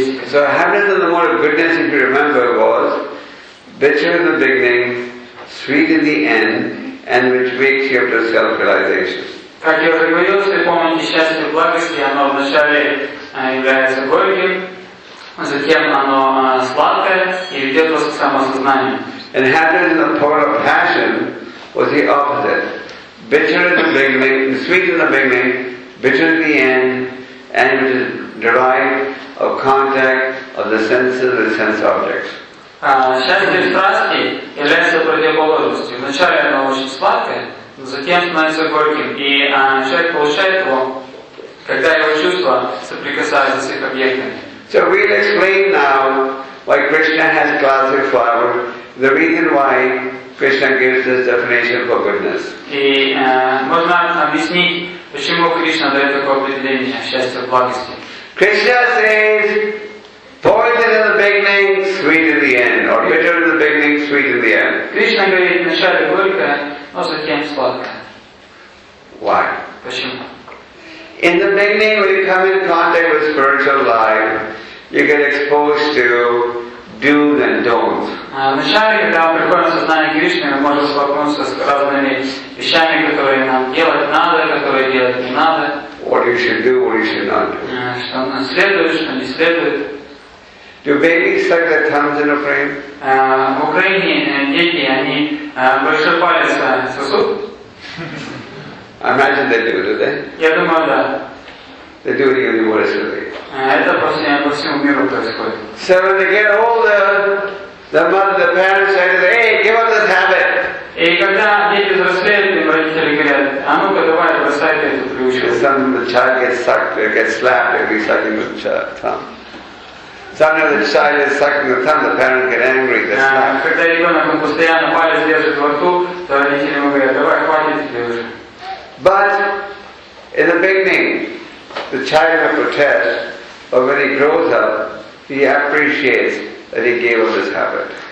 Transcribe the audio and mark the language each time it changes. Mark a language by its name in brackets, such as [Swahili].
[English] So happiness is the mode of goodness, if you remember, was bitter in the beginning, sweet in the end, and which wakes you up to self-realization. [Russian] Как я уже говорил, если помните счастье в благости, оно вначале является горьким, затем оно сладкое и ведет вас к самосознанию. [English] And happiness in the power of passion was the opposite. Bitter in the beginning, sweet in the beginning, bitter in the end, and it is derived of contact of the senses with sense objects. [Russian] Счастье в страсти является противоположностью. Вначале оно очень сладкое, затем становится горьким, и человек получает его, когда его чувства соприкасаются с их объектами. [English] So we'll explain now why Krishna has classified the reason why Krishna gives this definition for goodness. [Russian] И можно объяснить, почему Кришна дает такое определение счастья в благости. [English] Krishna says, poison in the beginning, sweet in the end, or bitter in the beginning, sweet in the end. [Russian] Krishna говорит, вначале горько, но затем сладко. [English] Why? [Russian] Почему? [English] In the beginning, when you come in contact with spiritual life, you get exposed to do's and don'ts. [Russian] Вначале, когда мы приходим в сознание Кришны, мы можем столкнуться с разными вещами, которые нам делать надо, которые делать не надо. [English] What you should do, what you should not do. [Russian] Что нам следует, что не следует. [English] Do babies suck their thumbs in a frame? [Russian] В Украине дети, они большой палец сосут. [English] I imagine they do they? [Russian] Я думаю, да. [English] They do it universally. [Russian] Это по всему миру происходит. [English] So when they get older, the mother, the parents say, hey, give up this habit. [Russian] И когда дети взрослеют, родители говорят, а ну-ка давай, бросайте эту привычку. [English] Sometimes the child gets sucked, gets slapped if he's sucking the thumb. Sometimes the child is sucking the thumb, the parents get angry. [Russian] Когда ребенок постоянно палец держит во рту, то родители ему говорят, давай, хватит тебе уже. [English] But in the beginning, the child will protest, but when he grows up, he appreciates that he gave up his habit.